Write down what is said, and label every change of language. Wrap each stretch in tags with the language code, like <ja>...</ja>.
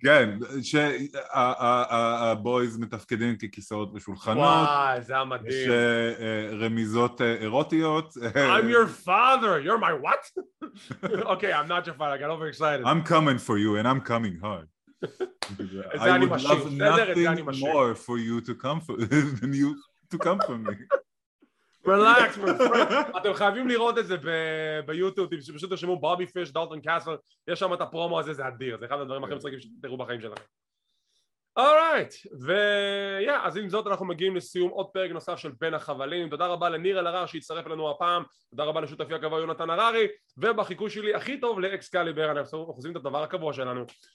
<he>כן, שהבויז מתפקדים ככיסאות ושולחנות. וואי, זה היה מדהים. יש רמיזות אירוטיות.</he> <en>I'm your father, you're my what? Okay, I'm not your father, I got over excited. I'm coming for you and I'm coming hard.</en> <he>זה אני משאיר.</he> <en>I would love nothing more for you to come for, than you to come for me. Relax, my friend.</en> <he>אתם חייבים לראות את זה ביוטיוב, שפשוט תרשמו בובי פיש, דולטון קאסל, יש שם את הפרומו הזה, זה אדיר. זה אחד הדברים הכי מצחיקים שתראו בחיים שלכם. Alright, ויהיה, אז עם זאת אנחנו מגיעים לסיום עוד פרק נוסף של בין החבלים. תודה רבה לניר אלהרר שהצטרף לנו הפעם, תודה רבה לשותפי הקבוע יונתן הררי, ובחיקוי שלי הכי טוב לאקסקליבר, אנחנו עושים את הדבר הקבוע שלנו.</he>